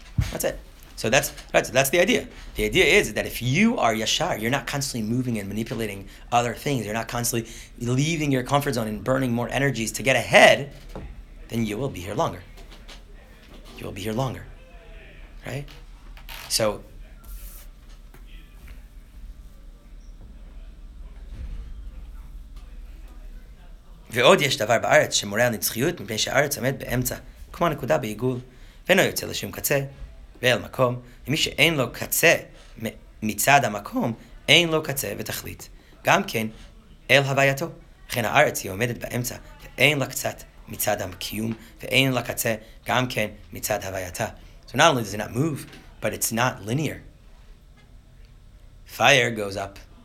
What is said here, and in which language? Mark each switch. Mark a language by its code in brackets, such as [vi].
[en] That's it. So that's the idea. The idea is that if you are yashar, you're not constantly moving and manipulating other things, you're not constantly leaving your comfort zone and burning more energies to get ahead, then you will be here longer. You will be here longer, right? [he] So, ועוד יש דבר בארץ שמורה על נצחיות מפני שהארץ עומד באמצע, כמו נקודה בעיגול, ואינו יוצא לשום קצה, ואל מקום, ומי שאין לו קצה מצד המקום, אין לו קצה ותכלית. גם כן, אל הווייתו. לכן הארץ היא עומדת באמצע, ואין לה קצת מצד הקיום, ואין לה קצה גם כן מצד הווייתה. [en] So not only does it not move, but it's not linear. Fire goes up.